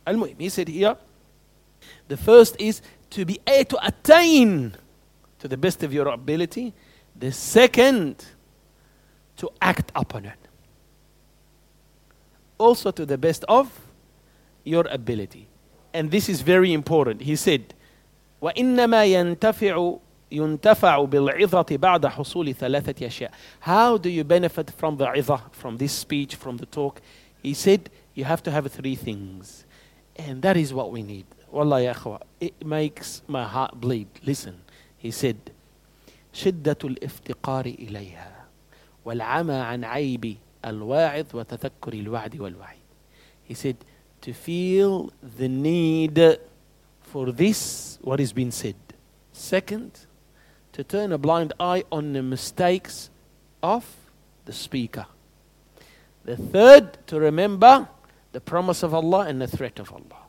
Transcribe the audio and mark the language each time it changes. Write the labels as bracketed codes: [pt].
[en] Al-Muhim, he said here, the first is to be able to attain to the best of your ability. The second, to act upon it. Also to the best of your ability. And this is very important. He said, [ar] وَإِنَّمَا يَنْتَفِعُ يُنْتَفَعُ بِالْعِظَةِ بَعْدَ حُصُولِ ثَلَاثَةِ أَشْيَاءَ. [en] How do you benefit from the izah, from this speech, from the talk? He said, you have to have 3 things. And that is what we need. Wallahi ya akhwa, it makes my heart bleed. Listen, he said, [ar] شِدَّةُ الْإِفْتِقَارِ إِلَيْهَا وَالْعَمَى عَنْ عَيْبِ الْوَاعِذِ وَتَذَكُّرِ الْوَعْدِ وَالْوَعِيدِ. [en] He said, to feel the need for this, what has been said. Second, to turn a blind eye on the mistakes of the speaker. The third, to remember the promise of Allah and the threat of Allah.